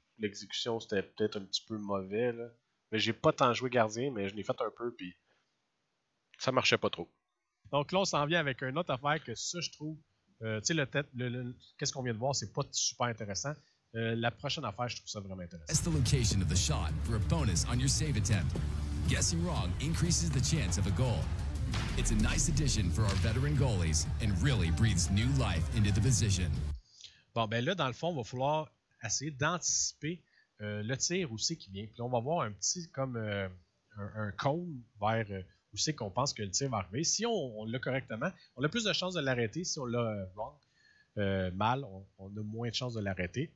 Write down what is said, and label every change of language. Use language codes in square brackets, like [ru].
[fr] L'exécution, c'était peut-être un petit peu mauvais. Là. Mais j'ai pas tant joué gardien, mais je l'ai fait un peu, puis ça marchait pas trop. Donc là, on s'en vient avec une autre affaire que ça, je trouve. Qu'est-ce qu'on vient de voir, c'est pas super intéressant. La prochaine affaire, je trouve ça vraiment intéressant. [en] Guess the location of the shot for a bonus on your save attempt. Guessing wrong increases the chance of a goal. It's a nice addition for our veteran goalies and really breathes new life into the position. [fr] Bon, ben là, dans le fond, il va falloir essayer d'anticiper le tir où c'est qu'il vient. Puis là, on va voir un petit comme un cône vers. Où c'est qu'on pense que le tir va arriver. Si on l'a correctement, on a plus de chances de l'arrêter. Si on l'a mal, on a moins de chances de l'arrêter.